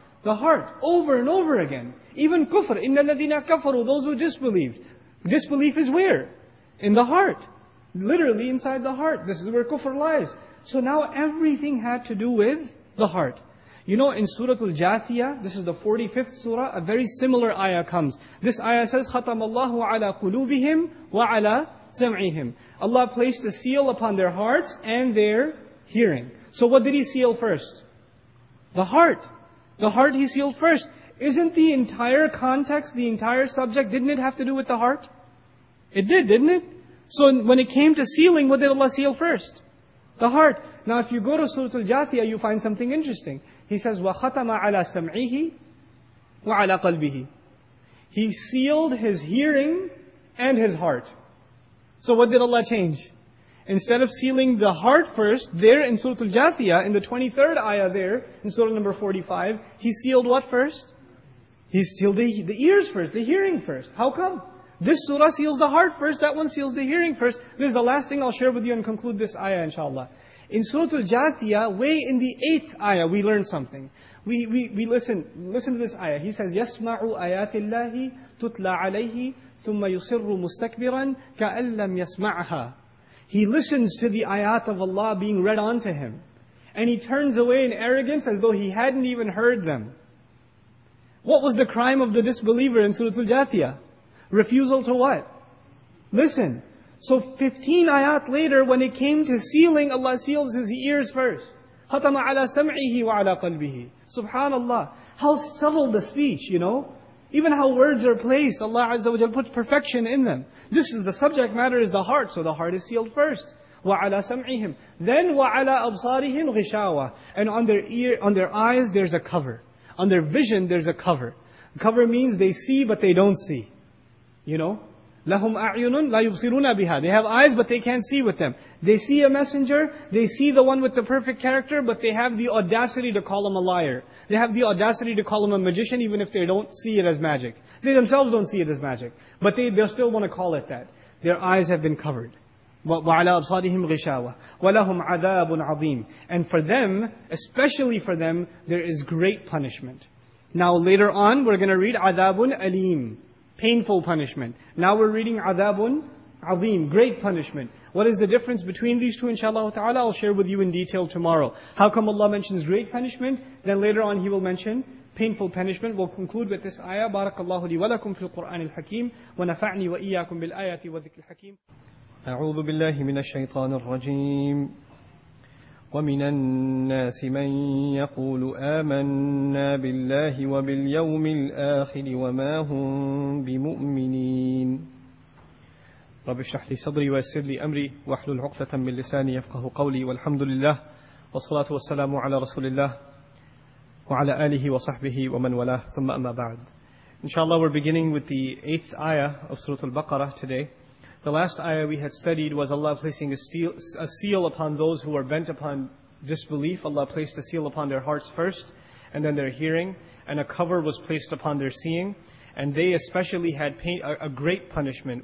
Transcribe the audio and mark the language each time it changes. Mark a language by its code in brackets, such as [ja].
[en] The heart, over and over again. Even kufr, [ar] إِنَّ الَّذِينَ كَفَرُوا, [en] those who disbelieved. Disbelief is where? In the heart. Literally inside the heart. This is where kufr lies. So now everything had to do with the heart. You know, in Surah Al-Jathiyah, this is the 45th surah, a very similar ayah comes. This ayah says, [ar] خَتَمَ اللَّهُ عَلَىٰ قُلُوبِهِمْ وَعَلَىٰ سَمْعِهِمْ. [en] Allah placed a seal upon their hearts and their hearing. So what did He seal first? The heart. The heart He sealed first. Isn't the entire context, the entire subject, didn't it have to do with the heart? It did, didn't it? So when it came to sealing, what did Allah seal first? The heart. Now if you go to Surah Al-Jathiyah, you find something interesting. He says, [ar] وَخَتَمَ عَلَىٰ سَمْعِهِ وَعَلَىٰ قَلْبِهِ. [en] He sealed His hearing and His heart. So what did Allah change? Instead of sealing the heart first, there in Surah Al-Jathiyah, in the 23rd ayah there, in Surah number 45, He sealed what first? He sealed the ears first, the hearing first. How come? This surah seals the heart first, that one seals the hearing first. This is the last thing I'll share with you and conclude this ayah, inshallah. In Surah Al-Jathiyah, way in the 8th ayah, we learn something. We listen to this ayah. He says, [ar] يَسْمَعُ آيَاتِ اللَّهِ تُتْلَى عَلَيْهِ ثُمَّ يُصِرُّ مُسْتَكْبِرًا كَأَنْ لَمْ يَسْمَعْهَا. [en] He listens to the ayat of Allah being read onto him. And he turns away in arrogance as though he hadn't even heard them. What was the crime of the disbeliever in Surah Al-Jathiyah? Refusal to what? Listen. So 15 ayat later, when it came to sealing, Allah seals his ears first. [ar] خَتَمَ عَلَىٰ سَمْعِهِ وَعَلَىٰ قَلْبِهِ. SubhanAllah. [en] How subtle the speech, you know? Even how words are placed, Allah Azza wa Jalla put perfection in them. This is the subject matter is the heart, so the heart is sealed first. [ar] وَعَلَىٰ سَمْعِهِمْ. [en] Then [ar] وَعَلَىٰ أَبْصَارِهِمْ غِشَاوَةٍ. [en] And on their ear, on their eyes, there's a cover. On their vision, there's a cover. Cover means they see, but they don't see. You know? [ar] لَهُمْ أَعْيُنٌ لَا يُبْصِرُونَ بِهَا. [en] They have eyes, but they can't see with them. They see a messenger, they see the one with the perfect character, but they have the audacity to call him a liar. They have the audacity to call him a magician, even if they don't see it as magic. They themselves don't see it as magic. But they'll still want to call it that. Their eyes have been covered. [ar] وَعَلَىٰ أَبْصَارِهِمْ غِشَاوَةٌ وَلَهُمْ عَذَابٌ عَظِيمٌ. [en] And for them, especially for them, there is great punishment. Now later on, we're going to read [ar] عَذَابٌ أَلِيمٌ. [en] Painful punishment. Now we're reading [ar] عَذَابٌ عَظِيمٌ. [en] Great punishment. What is the difference between these two, inshallah ta'ala? I'll share with you in detail tomorrow. How come Allah mentions great punishment? Then later on He will mention painful punishment. We'll conclude with this ayah. [ar] بَارَكَ لِي وَلَكُمْ فِي الْقُرْآنِ الْحَكِيمِ وَنَفَعْنِي وَإِيَّاكُمْ بِالْآيَاتِ وَذِكْرِ الْحَكِيمِ. أعوذ بالله من الشيطان الرجيم. ومن الناس من يقول آمنا بالله وباليوم الآخر وما هم بمؤمنين. رب اشرح لي صدري ويسر لي أمري واحلل عقدة من لساني يفقه قولي. والحمد لله والصلاة والسلام على رسول الله وعلى آله وصحبه ومن والاه. ثم أما بعد. [en] Inshallah, we're beginning with the 8th ayah of Surah Al-Baqarah today. The last ayah we had studied was Allah placing a seal upon those who are bent upon disbelief. Allah placed a seal upon their hearts first, and then their hearing, and a cover was placed upon their seeing, and they especially had a great punishment.